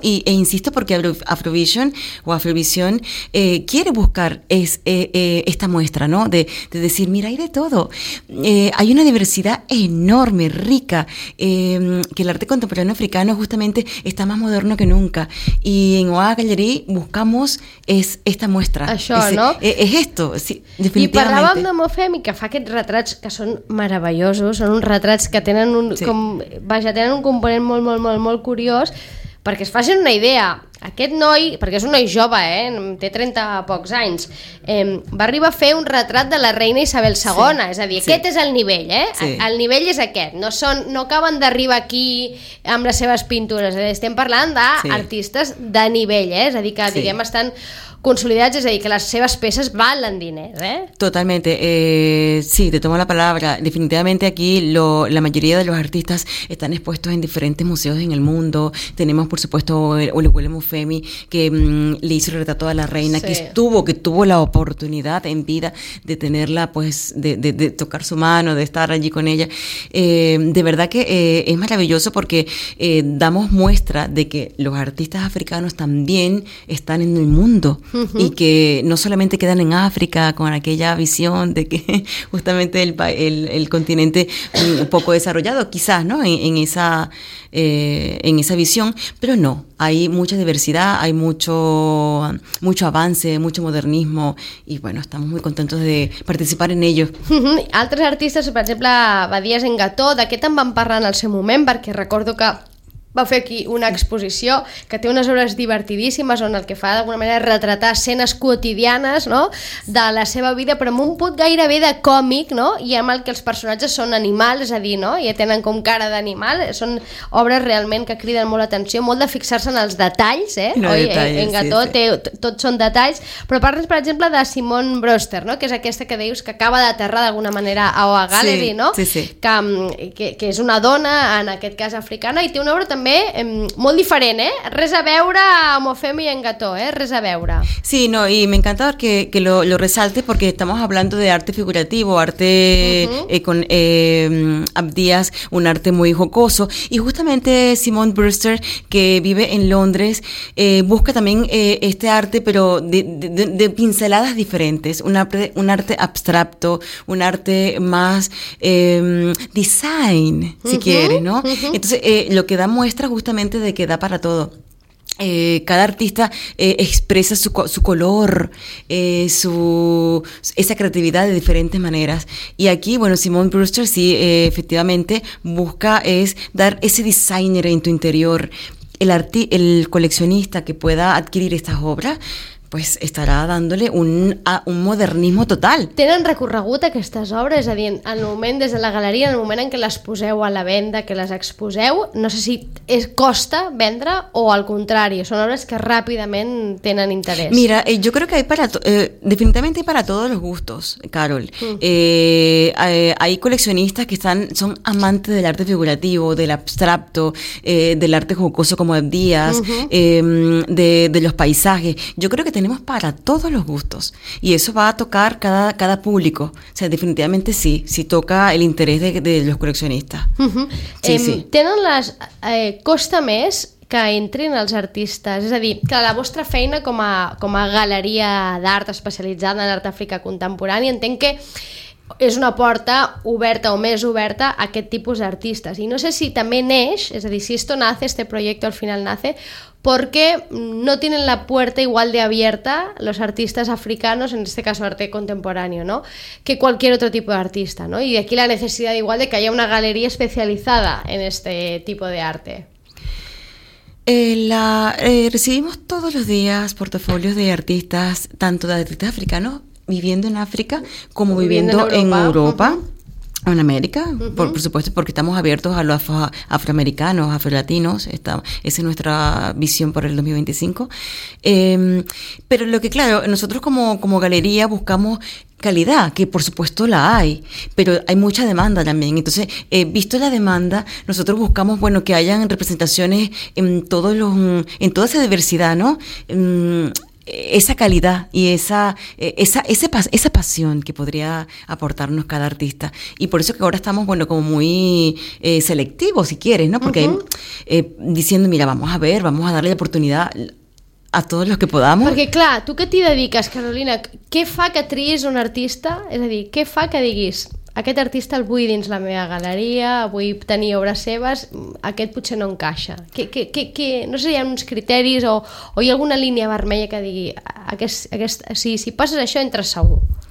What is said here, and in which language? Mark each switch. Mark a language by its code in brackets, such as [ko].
[es] e insisto porque Afrovision o Afrovisión quiere buscar esta muestra, ¿no? De decir, mira, hay de todo. Hay una diversidad enorme, rica, que el arte contemporáneo africano justamente está más moderno que nunca. Y en OA Gallery buscamos esta muestra. [ca] Això, no? És esto, sí, definitivament. I parlàvem de Mofem i que fa aquests retrats que són meravellosos, són uns retrats que tenen un, sí, com, vaja, tenen un component molt, molt, molt, molt curiós, perquè es facin una idea. Aquest noi, perquè és un noi jove, té 30 pocs anys, va arribar a fer un retrat de la reina Isabel II, sí, és a dir, sí, aquest és el nivell, eh? Sí. El nivell és aquest, no, són, no acaben d'arribar aquí amb les seves pintures, estem parlant d'artistes, sí, de nivell, eh? És a dir, que, sí, diguem, estan consolidats, és a dir, que les seves peces valen diners, eh? [es] Totalmente, sí, te tomo la palabra. Definitivamente aquí la mayoría de los artistas están expuestos en diferentes museos en el mundo. Tenemos, por supuesto, Oluwole Mofemi, que le hizo el retrato a la reina, sí, que tuvo la oportunidad en vida de tenerla, pues, de tocar su mano, de estar allí con ella. De verdad que es maravilloso porque damos muestra de que los artistas africanos también están en el mundo. Y que no solamente quedan en África con aquella visión de que justamente el continente un poco desarrollado, quizás, ¿no? En esa visión, pero no, hay mucha diversidad, hay mucho avance, mucho modernismo, y bueno, estamos muy contentos de participar en ello. [ca] Altres artistes, per exemple, Badies Engató, de què te'n van parlar en el seu moment? Perquè recordo que va fer aquí una exposició que té unes obres divertidíssimes on el que fa d'alguna manera és retratar escenes quotidianes, no?, de la seva vida, però amb un punt gairebé de còmic, no?, i amb el que els personatges són animals, és a dir, no?, ja tenen com cara d'animal. Són obres realment que criden molt l'atenció, molt de fixar-se en els detalls, no, oi? Detalles, en Gató, sí, sí. Tot són detalls, però parles, per exemple, de Simone Broster, no?, que és aquesta que dius que acaba d'aterrar d'alguna manera a OA Gallery, sí, no?, sí, sí. Que és una dona, en aquest cas africana, i té una obra també molt diferent, eh? Res a veure amb Ofemi i en Gató, eh? Res a veure. [es] Sí, no, y me encanta que lo resaltes porque estamos hablando de arte figurativo, arte con Abdías, un arte muy jocoso, y justamente Simone Brewster, que vive en Londres, busca también este arte, pero de pinceladas diferentes, un arte abstracto, un arte más design, si quieres, ¿no? Entonces, lo que damos muestra justamente de que da para todo. Cada artista expresa su color, esa creatividad de diferentes maneras. Y aquí, bueno, Simone Brewster sí, efectivamente, busca es dar ese designer en tu interior. El coleccionista que pueda adquirir estas obras, pues estará dándole un modernismo total. [ca] Tenen recorregut aquestes obres, és a dir, en el moment des de la galeria, en el moment en què les poseu a la venda, que les exposeu, no sé si és costa vendre o al contrari, són obres que ràpidament tenen interès. [es] Mira, yo creo que hay para definitivamente hay para todos los gustos, Carol. Hay coleccionistas que son amantes del arte figurativo, del abstracto, del arte jocoso como Díaz, de los paisajes. Yo creo que tenemos para todos los gustos y eso va a tocar cada público. O sea, definitivamente sí, si toca el interés de los coleccionistas. Sí. [ca] Tenen les costa més que entrin els artistes, és a dir, que la vostra feina com a galeria d'art especialitzada en art africà contemporani, entenc que és una porta oberta o més oberta a aquest tipus d'artistes, i no sé si també neix, és a dir, si [es] esto nace, este proyecto al final nace porque no tienen la puerta igual de abierta los artistas africanos, en este caso arte contemporáneo, ¿no?, que cualquier otro tipo de artista, ¿no? Y de aquí la necesidad igual de que haya una galería especializada en este tipo de arte. Recibimos todos los días portafolios de artistas, tanto de artistas africanos viviendo en África como viviendo en Europa. En América, por supuesto, porque estamos abiertos a los afroamericanos, afrolatinos, esa es nuestra visión por el 2025. Pero lo que, claro, nosotros como galería buscamos calidad, que por supuesto la hay, pero hay mucha demanda también. Entonces, visto la demanda, nosotros buscamos, bueno, que hayan representaciones en toda esa diversidad, ¿no? esa calidad y esa pasión que podría aportarnos cada artista. Y por eso que ahora estamos, bueno, como muy selectivos, si quieres, ¿no? Porque diciendo, mira, vamos a ver, vamos a darle la oportunidad a todos los que podamos. [ca] Perquè, clar, tu que t'hi dediques, Carolina, què fa que triïs un artista? És a dir, què fa que diguis, aquest artista el vull dins la meva galeria, vull tenir obres seves, aquest potser no encaixa. No sé si hi ha uns criteris o hi ha alguna línia vermella que digui, si passes això, entres segur.